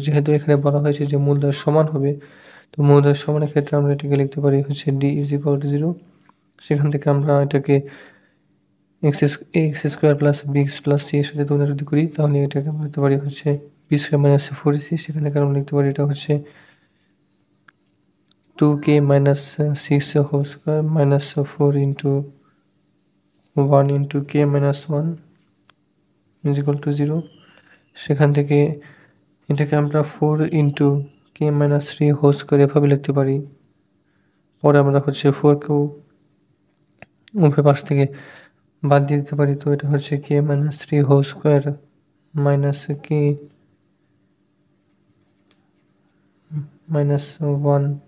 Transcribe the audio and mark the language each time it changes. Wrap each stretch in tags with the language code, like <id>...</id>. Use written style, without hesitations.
<bn>যেহেতু এখানে বলা হয়েছে যে মূলধন সমান হবে, তো মূলধন সমানের ক্ষেত্রে আমরা এটাকে লিখতে পারি হচ্ছে D is equal to zero. সেখান থেকে আমরা এটাকে x square plus B x plus C এর সাথে তুলনা যদি করি তাহলে এটাকে আমরা লিখতে পারি হচ্ছে B square minus four C. সেখান থেকে আমরা লিখতে পারি এটা হচ্ছে</bn> <en>2k minus 6 whole square minus 4 into 1 into k minus 1 is equal to 0.</en> <bn>সেখান থেকে এটাকে আমরা</bn> <en>4 into k minus 3 whole square</en> <bn>এভাবে লিখতে পারি। পরে আমরা হচ্ছে 4 কে উপরে পাশ থেকে বাদ দিয়ে দিতে পারি, তো এটা হচ্ছে</bn> <en>k minus 3 whole square minus k minus 1।</en>